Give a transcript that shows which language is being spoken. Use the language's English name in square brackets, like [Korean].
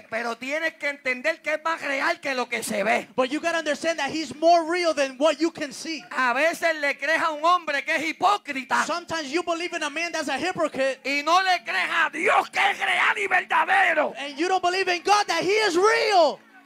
[Spanish] Pero tienes que entender que es más real que lo que se ve. [English] But you got to understand that he's more real than what you can see. [Spanish] A veces le crees a un hombre que es hipócrita. [English] Sometimes you believe in a man that's a hypocrite. [Spanish] Y no le crees a Dios que es real y verdadero. [English] And you don't believe in God that he is real.